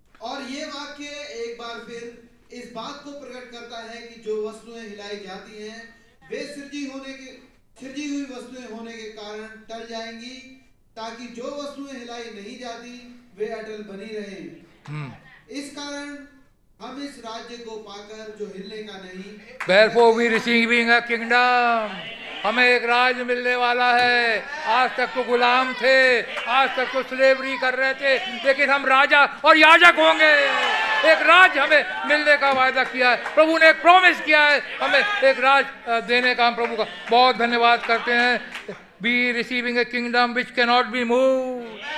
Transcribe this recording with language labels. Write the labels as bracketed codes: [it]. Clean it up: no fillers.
[hi] और ये वाक्य एक बार फिर इस बात को प्रकट करता है कि जो वस्तुएं हिलाई जाती हैं वे सृजी हुई वस्तुएं होने के कारण टल जाएंगी, ताकि जो वस्तुएं हिलाई नहीं जाती वे अटल बनी रहे। इस कारण हम इस राज्य को पाकर जो हिलने का नहीं। [en] Therefore we receiving a kingdom. [hi] हमें एक राज मिलने वाला है। आज तक तो गुलाम थे, आज तक तो स्लेवरी कर रहे थे, लेकिन हम राजा और याजक होंगे। एक राज हमें मिलने का वायदा किया है प्रभु ने, एक प्रॉमिस किया है हमें एक राज देने का। हम प्रभु का बहुत धन्यवाद करते हैं। [en] Be receiving a kingdom which can not be move.